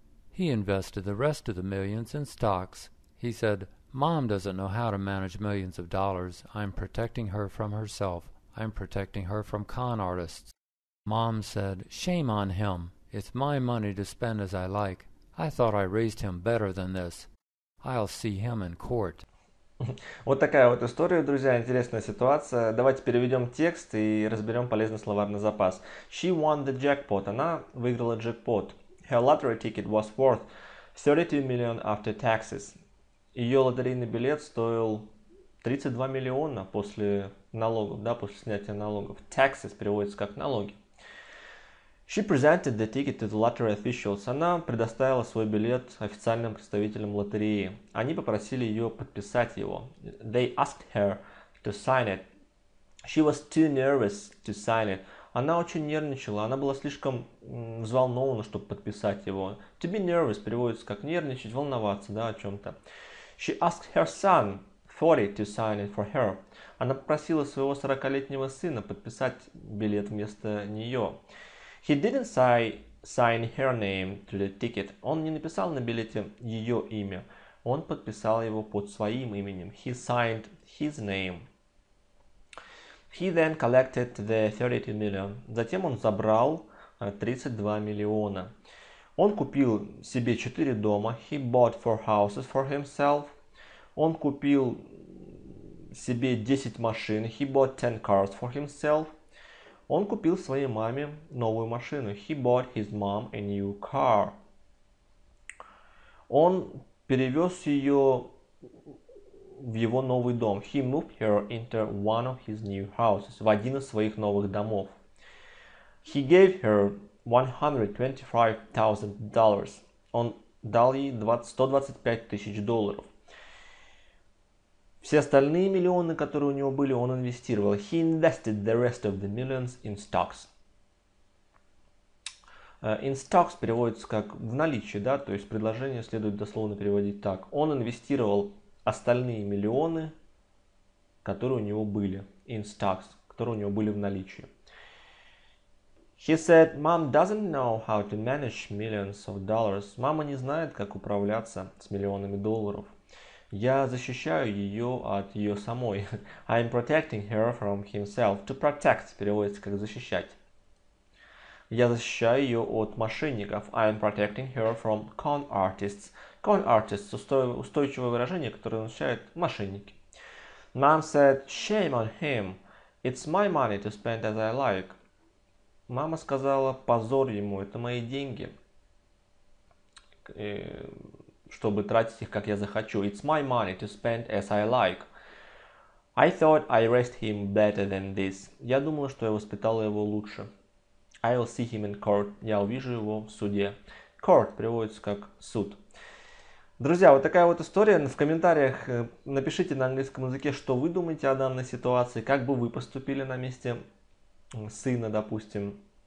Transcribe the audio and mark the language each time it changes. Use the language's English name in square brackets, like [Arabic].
[English] He invested the rest of the millions in stocks. He said, Mom doesn't know how to manage millions of dollars. I'm protecting her from herself. I'm protecting her from con artists. Mom said, Shame on him. It's my money to spend as I like. I thought I raised him better than this. I'll see him in court. [Russian] Вот такая вот история, друзья, интересная ситуация. Давайте переведем текст и разберем полезный словарный запас. [English] She won the jackpot. [Russian] Она выиграла джекпот. [English] Her lottery ticket was worth 32 million after taxes. [Russian] Ее лотерейный билет стоил 32 миллиона после налогов, да, после снятия налогов. Taxes переводится как налоги. [English] She presented the ticket to the lottery officials. [Russian] Она предоставила свой билет официальным представителям лотереи. Они попросили ее подписать его. [English] They asked her to sign it. She was too nervous to sign it. [Russian] Она очень нервничала. Она была слишком взволнована, чтобы подписать его. [English] To be nervous [Russian] переводится как нервничать, волноваться, да, о чем-то. [English] She asked her son, 40, to sign it for her. [Russian] Она попросила своего 40-летнего сына подписать билет вместо нее. [English] He didn't sign her name to the ticket. [Russian] Он не написал на билете ее имя. Он подписал его под своим именем. [English] He signed his name. He then collected the 32 million. [Russian] Затем он забрал 32 миллиона. Он купил себе 4 дома. [English] He bought 4 houses for himself. [Russian] Он купил себе 10 машин. [English] He bought 10 cars for himself. [Russian] Он купил своей маме новую машину. [English] He bought his mom a new car. [Russian] Он перевез ее в его новый дом. [English] He moved her into one of his new houses. [Russian] В один из своих новых домов. [English] He gave her $125,000. [Russian] Он дал ей 125 тысяч долларов. Все остальные миллионы, которые у него были, он инвестировал. [English] He invested the rest of the millions in stocks. In stocks [Russian] переводится как в наличии, да, то есть предложение следует дословно переводить так. Он инвестировал остальные миллионы, которые у него были, [English] in stocks, [Russian] которые у него были в наличии. [English] He said, Mom doesn't know how to manage millions of dollars. [Russian] Мама не знает, как управляться с миллионами долларов. Я защищаю ее от ее самой. [English] I'm protecting her from himself. [Russian] To protect переводится как защищать. Я защищаю ее от мошенников. [English] I'm protecting her from con artists. [Russian] Con artists устойчивое выражение, которое означает мошенники. [English] Mom said, shame on him. It's my money to spend as I like. [Russian] Мама сказала, позор ему, это мои деньги. Чтобы тратить их, как я захочу. [English] It's my money to spend as I like. I thought I raised him better than this. [Russian] Я думала, что я воспитала его лучше. [English] I will see him in court. [Russian] Я увижу его в суде. Court переводится как суд. Друзья, вот такая вот история. В комментариях напишите на английском языке, что вы думаете о данной ситуации, как бы вы поступили на месте сына, допустим.